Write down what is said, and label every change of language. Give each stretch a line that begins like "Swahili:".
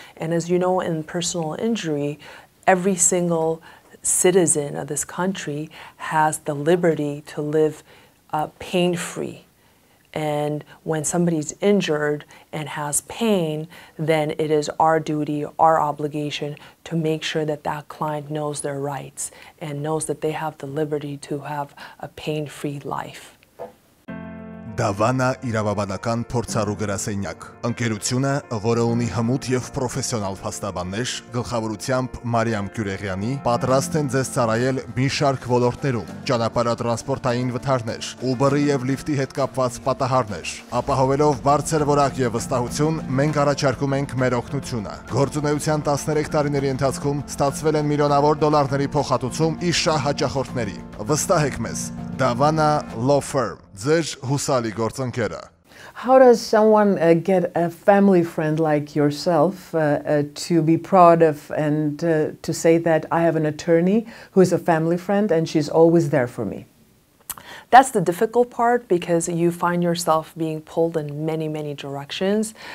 English: And as you know, in personal injury, every single citizen of this country has the liberty to live pain-free. And when somebody's injured and has pain, then it is our duty, our obligation to make sure that that client knows their rights and knows that they have the liberty to have a pain-free life.
Armenian: Դավանա իրավաբանական փորձառու գրասենյակ, ընկերությունը, որը ունի հմուտ և պրոֆեսիոնալ փաստաբաններ, գլխավորությամբ Մարիամ Կյուրեղյանի, պատրաստ են ձեզ ծառայել մի շարք ոլորտներում, ճանապարհատրանսպորտային վթարներ, Uber-ի և Lyft-ի հետ կապված պատահարներ, ապահովելով բարձր որակ և վստահություն, մենք առաջարկում ենք մեր օգնությունը։ Գործունեության 13 տարիների ընթացքում ստացվել են միլիոնավոր դոլարների փոխհատուցում ի շահ հաճախորդների։ Վստահեք մեզ, Դավանա Law Firm.
English: How does someone get a family friend like yourself to be proud of and to say that I have an attorney who is a family friend and she's always there for me? That's the difficult part, because you find yourself being pulled in many, many directions.